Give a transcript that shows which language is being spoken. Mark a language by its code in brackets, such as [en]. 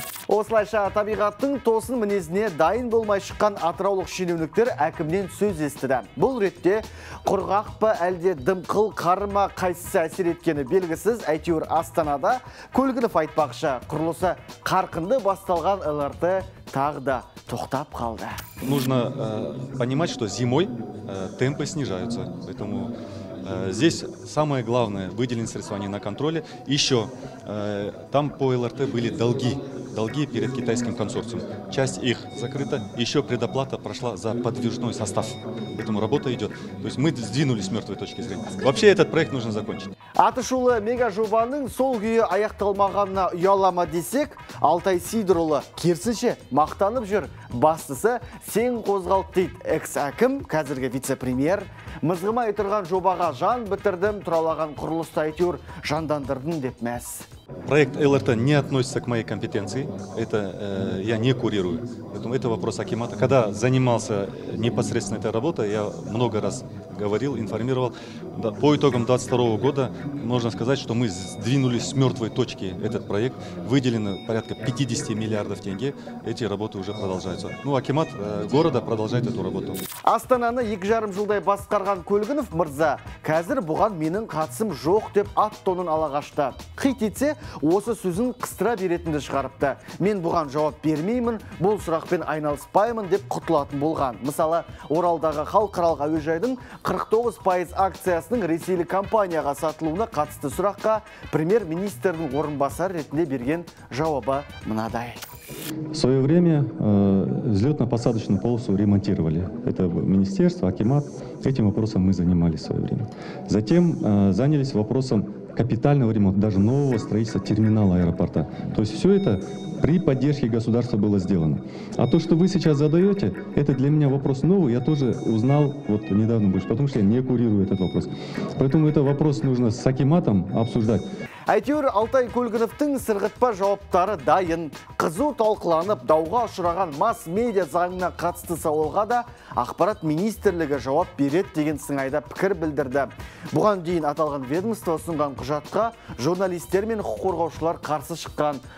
[kk] Осылайша табиғаттың тосын мінезіне дайын болмай шыққан атыраулық шенеуніктер әкімнен сөз естіді. Бұл ретте құрғақ па әлде дымқыл қарма қайсысы әсер еткені белгісіз. Әйтеуір Астанада Көлгінов айтпақшы құрылысы қарқынды басталған ЛРТ тағы тоқтап қалды. [ru] Нужно понимать, что зимой темпы снижаются, поэтому здесь самое главное выделены средства не на контроле. Еще там по ЛРТ были долги перед китайским консорциумом. Часть их закрыта. Еще предоплата прошла за подвижной состав. Поэтому работа идет. То есть мы сдвинулись с мертвой точки зрения. Вообще этот проект нужно закончить. [kk] Атышулы мегажобаның сол күйі аяқталмағанына ұялама десек, Алтай Сидорұлы керсінше мақтанып жүр. Бастысы сен қозғалды дейді экс-әкім, қазіргі вице-премьер. Мызғымай тұрған жобаға жан бітірдім, тұралаған құрылысты әйтеуір жандандырдың деп мәз. [ru] Проект ЛРТ не относится к моей компетенции, это я не курирую, поэтому это вопрос акимата. Когда занимался непосредственно этой работой, я много раз говорил, информировал, по итогам 2022 года можно сказать, что мы сдвинулись с мертвой точки этот проект. Выделено порядка 50 миллиардов тенге. Эти работы уже продолжаются. Ну, акимат города продолжает эту работу. [kk] Астананы 2,5 жылдай басқарған Көлгінов мырза, қазір бұған менің қатысым жоқ деп ат тонын ала қашты. Қит етсе, осы сөзін қыстыра беретінді шығарыпты. Мен бұған жауап бермеймін, бұл сұрақпен айналыспаймын деп құтылатын болған. Мысалы, Оралдағы халықаралық әуежайдың 49% акциясының ресейлік компанияға сатылуына қатысты сұраққа премьер-министрдің орынбасары ретінде берген жауабы мынадай. [ru] В свое время взлетно-посадочную полосу ремонтировали. Это министерство, акимат. Этим вопросом мы занимались в свое время. Затем занялись вопросом капитального ремонта, даже нового строительства терминала аэропорта. То есть все это при поддержке государства было сделано. А то, что вы сейчас задаете, это для меня вопрос новый. Я тоже узнал вот недавно больше, потому что я не курирую этот вопрос. Поэтому этот вопрос нужно с акиматом обсуждать. [kk] Әйтеуір Алтай Көлгіновтың сырғытпа жауаптары дайын, қызу талқыланып, дауға ұшыраған масс-медиа заңына қатысты сауалға да ақпарат министрлігі жауап береді деген сыңайда пікір білдірді. Бұған дейін аталған ведомство ұсынған құжатқа журналистер мен құқық қорғаушылар қарсы шыққан.